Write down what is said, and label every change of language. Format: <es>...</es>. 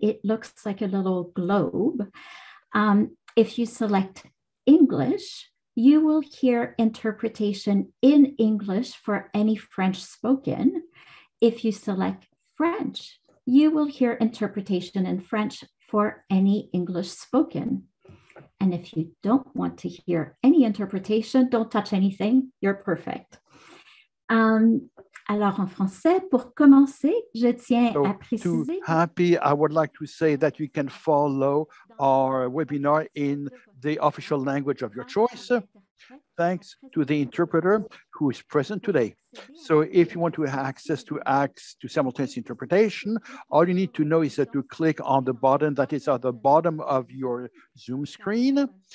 <en>It looks like a little globe. If you select English, you will hear interpretation in English for any French spoken. If you select French, you will hear interpretation in French for any English spoken. And if you don't want to hear any interpretation, don't touch anything, you're perfect.</en> <fr>Alors en français, pour commencer, je tiens à préciser.</fr> <en>I would like to say that you can follow our webinar in the official language of your choice, thanks to the interpreter who is present today. So if you want to have access to simultaneous interpretation, all you need to know is that you click on the button that is at the bottom of your Zoom screen.</en>